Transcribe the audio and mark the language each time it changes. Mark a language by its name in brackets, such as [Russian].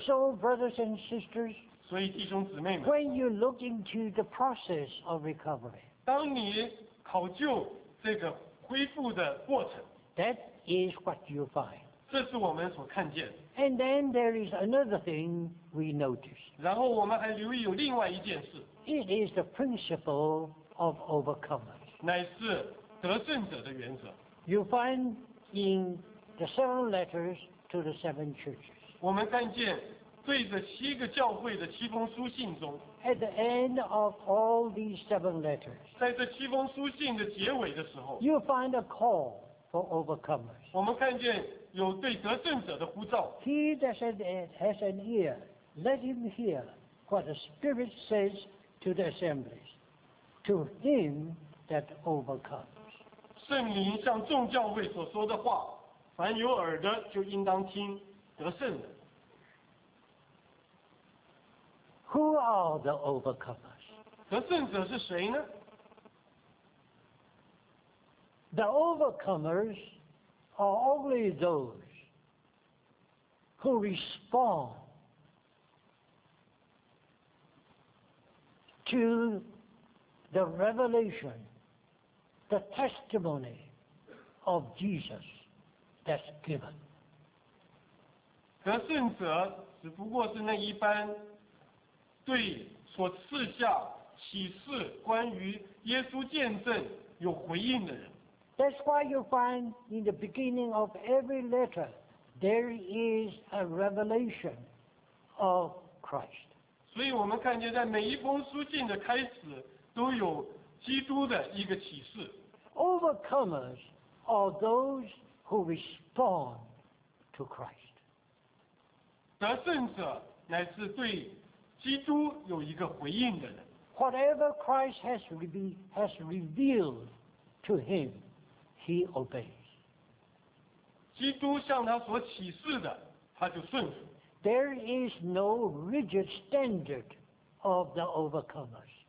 [English] So brothers and sisters. [Chinese] 所以弟兄姊妹们。 [English] When you look into the process of recovery. [Chinese] 当你考究这个。恢复的过程。 [English] That is what you find. [Chinese] 这是我们所看见的。 [English] And then there is another thing we notice. [Chinese] 然后我们还留意有另外一件事。 [English] It is the principle of overcomers. [Chinese] 乃是得胜者的原则。 [English] You find in the seven letters to the seven churches. [Chinese] 我们看见对着七个教会的七封书信中。 [English] At the end of all these seven letters. [Chinese] 在这七封书信的结尾的时候。 [English] You find a call for overcomers. [Chinese] 我们看见有对得胜者的呼召。 [English] He that has an ear, let him hear what the Spirit says to the assemblies, to him that overcomes. [Chinese] 圣灵向众教会所说的话，凡有耳的就应当听得胜的。 [English] Who are the overcomers? [Chinese] 得胜者是谁呢？ [English] The overcomers are only those who respond to the revelation, the testimony of Jesus that's given. [Chinese] 得胜者只不过是那一般对所赐下启示关于耶稣见证有回应的人。 [English] That's why you find in the beginning of every letter, there is a revelation of Christ. [Chinese] 所以我们看见在每一封书信的开始都有基督的一个启示。 [English] Overcomers are those who respond to Christ. [Chinese] 得胜者乃是对基督有一个回应的人。 [English] Whatever Christ has revealed to him. He obeys. [Chinese] 基督向他所启示的，他就顺服。 [English] There is no rigid standard of the overcomers.